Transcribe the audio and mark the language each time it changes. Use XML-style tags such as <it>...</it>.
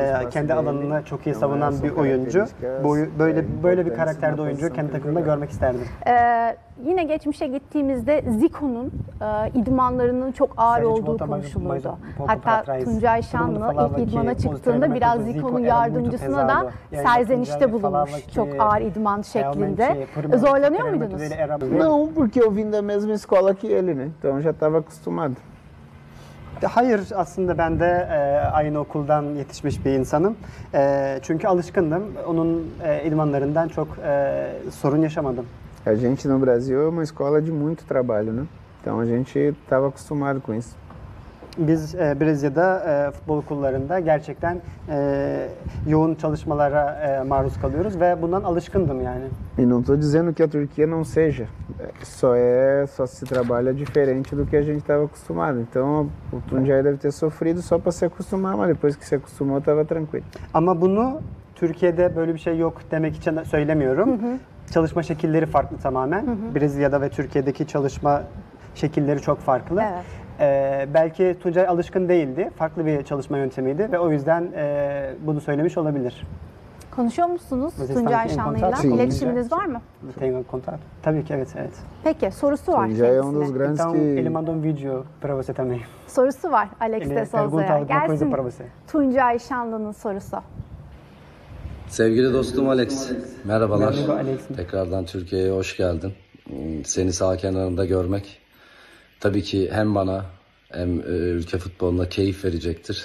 <tr>Kendi alanını çok iyi savunan bir oyuncu. Böyle bir karakterde oyuncu kendi takımımda görmek isterdim. Yine geçmişe gittiğimizde Zico'nun idmanlarının çok ağır olduğu konuşuluyordu. Hatta Tuncay Şanlı ilk idmana çıktığında biraz Zico'nun yardımcısına da serzenişte bulunmuş. Çok ağır idman şeklinde. Zorlanıyor muydunuz?</tr> <pt>Não, porque eu vim da mesma escola que ele, né? Então já estava acostumado.</pt> <tr>Hayır, aslında ben de aynı okuldan yetişmiş bir insanım. Çünkü alışkındım. Onun idmanlarından çok sorun yaşamadım.</tr> <pt>A gente no Brasil é uma escola de muito trabalho, né? Então a gente estava acostumado com isso.</pt> <tr>Biz Brezilya'da futbol okullarında gerçekten yoğun çalışmalara maruz kalıyoruz ve bundan alışkındım yani.</tr> <pt>E não estou dizendo que a Turquia não seja. Só se trabalha diferente do que a gente estava acostumado. Então o Tuncay deve ter sofrido só para se acostumar, mas depois que se acostumou estava tranquilo.</pt> <tr>Ama bunu Türkiye'de böyle bir şey yok demek için söylemiyorum. Çalışma şekilleri farklı tamamen. Brezilya'da ve Türkiye'deki çalışma şekilleri çok farklı. Evet. Belki Tuncay alışkın değildi. Farklı bir çalışma yöntemiydi ve o yüzden bunu söylemiş olabilir. Konuşuyor musunuz Tuncay Şanlı'yla? İletişiminiz var mı?</tr> <pt>Tengo contato.</pt> <tr>Tabii ki, evet. Peki, sorusu var.</tr> <pt>Tuncay é um dos grandes que... Então, ele mandou um vídeo para você também.</pt> <tr>Sorusu var Alex de Souza'ya. Gelsin</tr> <pt>para você.</pt> <tr>Tuncay Şanlı'nın sorusu. Sevgili dostum Alex, merhabalar. Tekrardan Türkiye'ye hoş geldin. Seni sağ kenarında görmek tabii ki hem bana hem ülke futboluna keyif verecektir.</tr>